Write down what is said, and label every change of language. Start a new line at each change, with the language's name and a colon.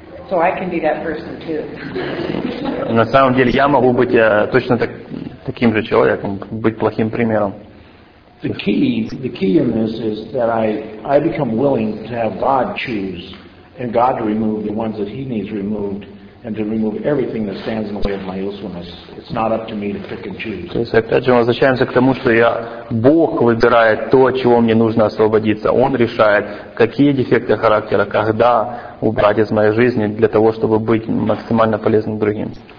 English: So I can be that person too.
Russian: На самом деле я могу быть точно таким же человеком, быть плохим примером.
English: The key in this is that I become willing to have God choose and God to remove the ones that He needs removed and to remove everything that stands in the way of my usefulness. It's not up to me to pick and choose.
Russian: То есть опять же мы возвращаемся к тому, что Бог выбирает то, от чего мне нужно освободиться. Он решает, какие дефекты характера, когда убрать из моей жизни для того, чтобы быть максимально полезным другим.